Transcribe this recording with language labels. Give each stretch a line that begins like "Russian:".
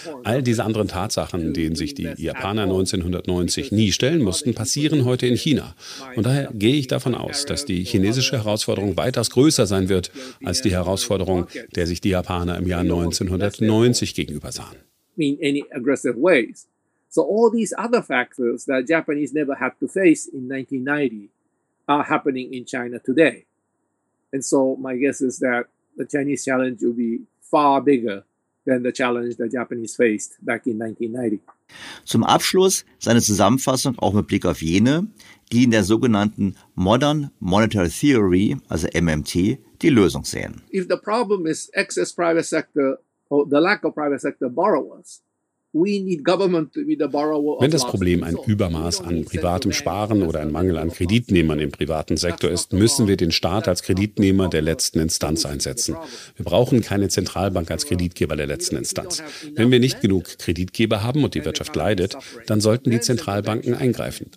German: All diese anderen Tatsachen, denen sich die Japaner 1990 nie stellen mussten, passieren heute in China. Und daher gehe ich davon aus, dass die chinesische Herausforderung weitaus größer sein wird als die Herausforderung, der sich die Japaner im Jahr 1990 gegenüber sahen.
English: In any aggressive ways. So all these other factors that Japanese never had to face in 1990 are happening in China today. And so my guess is that the Chinese challenge will be far bigger than the challenge the Japanese faced back in 1990. Zum Abschluss seine Zusammenfassung auch mit Blick auf jene, die in der sogenannten Modern Monetary Theory, also MMT, die Lösung sehen. If the problem is excess private sector or the lack of private sector borrowers,
German: wenn das Problem ein Übermaß an privatem Sparen oder ein Mangel an Kreditnehmern im privaten Sektor ist, müssen wir den Staat als Kreditnehmer der letzten Instanz einsetzen. Wir brauchen keine Zentralbank als Kreditgeber der letzten Instanz. Wenn wir nicht genug Kreditgeber haben und die Wirtschaft leidet, dann sollten die Zentralbanken eingreifen.